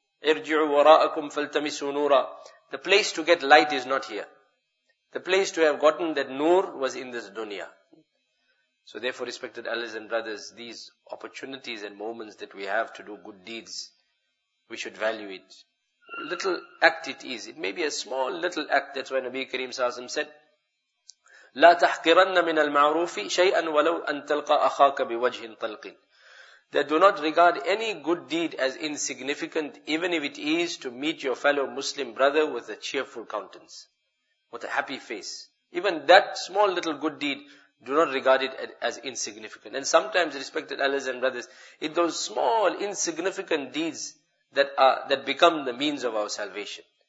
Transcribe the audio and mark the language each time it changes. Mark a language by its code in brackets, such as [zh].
[ar] Irji'u wara'akum faltamisu nura. [en] The place to get light is not here. The place to have gotten that nur was in this dunya. So therefore, respected elders and brothers, these opportunities and moments that we have to do good deeds, we should value it. Little act it is. It may be a small little act. That's why Nabi Kareem Sa'asim said, [ar] لا تحقرن من المعروف شيئا ولو أن تلقى أخاك بوجه طلق. [en] That do not regard any good deed as insignificant, even if it is to meet your fellow Muslim brother with a cheerful countenance, with a happy face. Even that small little good deed, do not regard it as insignificant. And sometimes, respected elders and brothers, it's those small, insignificant deeds that become the means of our salvation.